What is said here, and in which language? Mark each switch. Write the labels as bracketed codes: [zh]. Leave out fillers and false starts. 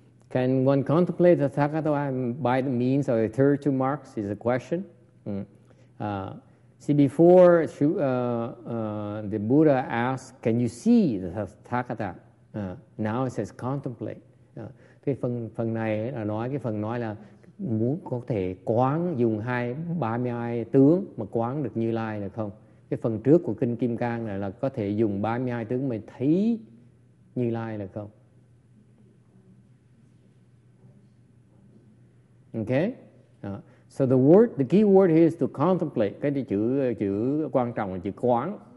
[en] Can one contemplate the Tathagata by the means of the 32 marks is a question. Before the Buddha asked, can you see the Tathagata? Now it says contemplate. [vi] Cái phần này là nói, cái phần nói là muốn có thể quán dùng 32 tướng mà quán được Như Lai được không? Cái phần trước của Kinh Kim Cang này là có thể dùng 32 tướng mà thấy Như Lai được không? [en] Okay? So the key word here is to contemplate. [vi] Cái chữ quan trọng là chữ quán.